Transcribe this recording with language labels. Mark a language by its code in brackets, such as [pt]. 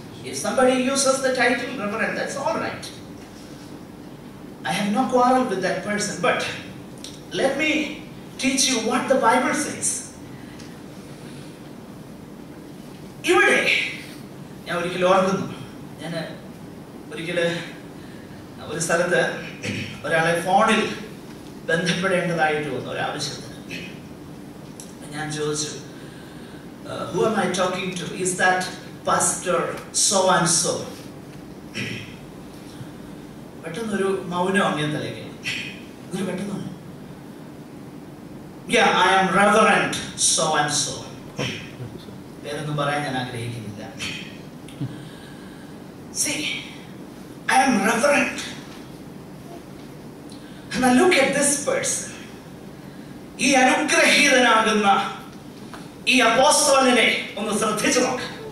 [en] If somebody uses the title reverend, that's all right. I have no quarrel with that person. But let me teach you what the Bible says. [ml] ഇവിടെ ഞാൻ ഒരിക്കൽ ഓർക്കുന്നു, ഞാൻ ഒരിക്കൽ ഒരു സ്ഥലത്ത് ഒരാളെ ഫോണിൽ ബന്ധപ്പെടേണ്ടതായിട്ട് വന്നു ഒരാവശ്യത്തിന്. ഞാൻ ചോദിച്ചു, [en] Who am I talking to? Is that Pastor so and so? [ml] പെട്ടെന്നൊരു മൗനം അങ്ങനെ തലയ്ക്ക്. ഒരു പെട്ടെന്ന്, [en] Yeah, I am Reverend so and so. [ml] പേരൊന്നും പറയാൻ ഞാൻ ആഗ്രഹിക്കുന്നില്ല. [en] See, I am Reverend. Now look at this person. [ml] ഈ അനുഗ്രഹീതനാകുന്ന ഈ അപ്പോസ്തലനെ ഒന്ന് ശ്രദ്ധിച്ചു നോക്ക്.